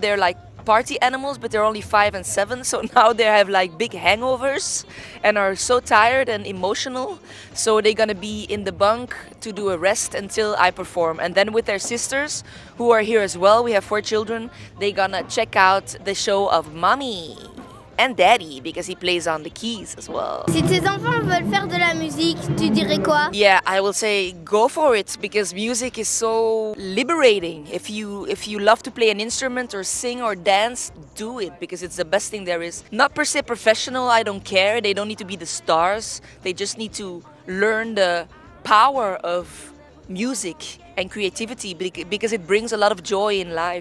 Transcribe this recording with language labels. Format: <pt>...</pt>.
<en>They're like party animals, but they're only 5 and 7. So now they have like big hangovers and are so tired and emotional. So they're gonna be in the bunk to do a rest until I perform. And then with their sisters, who are here as well, we have 4 children, they're gonna check out the show of Mommy. And daddy, because he plays on the keys as well.</en> <fr>Si tes enfants veulent faire de la musique, tu dirais quoi?</fr> <en>Yeah, I will say go for it, because music is so liberating. If you love to play an instrument or sing or dance, do it, because it's the best thing there is. Not per se professional, I don't care. They don't need to be the stars. They just need to learn the power of music and creativity, because it brings a lot of joy in life.</en>